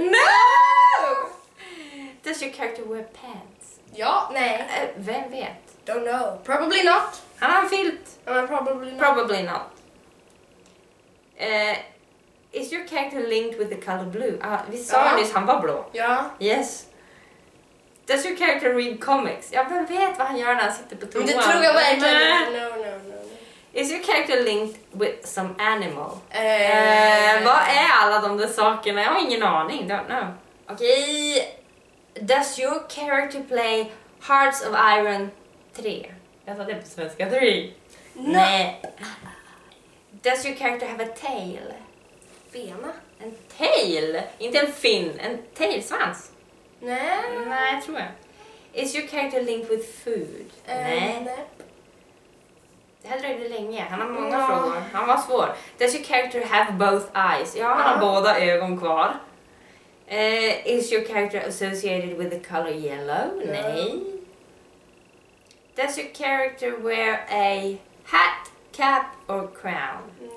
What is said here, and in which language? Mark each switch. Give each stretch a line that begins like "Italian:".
English: No! Does your character wear pants?
Swedish: Ja, nej. Vem vet?
English: Don't know. Probably not.
Swedish: Han har en filt.
English: Probably not. Is your character linked with the color blue?
Swedish: Vi sa nyss, han var blå. Ja.
English: Yes. Does your character read comics?
Swedish: Ja, vem vet vad han gör när han sitter på toan? Det tror jag verkligen.
English: No. Is your character linked with some animal?
Swedish: Vad är alla de där sakerna? Jag har ingen aning,
English: don't know.
Swedish: Okej.
English: Does your character play Hearts of Iron 3?
Swedish: Jag sa det på svenska 3. Nej.
English: Does your character have a tail? Bena.
Swedish: En tail? Inte en fin, en tailsvans. Nej, jag tror jag.
English: Is your character linked with food?
Swedish: Nej. Det här dröjde länge, han har många frågor. Han var svår.
English: Does your character have both eyes?
Swedish: Ja, han har båda ögon kvar.
English: Is your character associated with the color yellow?
Swedish: Nej.
English: Does your character wear a hat, cap or crown?